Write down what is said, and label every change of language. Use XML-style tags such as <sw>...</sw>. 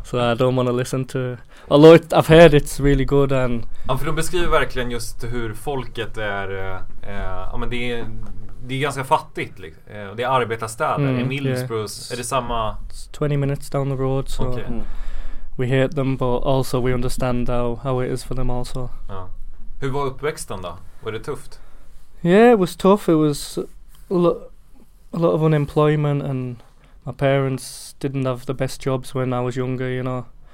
<en>So I don't want to listen to... Although I've heard it's really good and...</en> <sv>Ja, för de beskriver verkligen just hur folket är... men det är... Det är ganska fattigt liksom. Det är arbetarstäder. Mm, i Middlesbrough. Yeah. Är det samma?</sv> <en>It's 20 minutes down the road, so okay. We hate them, but also we understand how it is for them also.</en> <sv>Ja. Hur var uppväxten då? Var det tufft?</sv> <en>Yeah, it was tough. It was a lot of unemployment and my parents didn't have the best jobs when I was younger, you know.</en>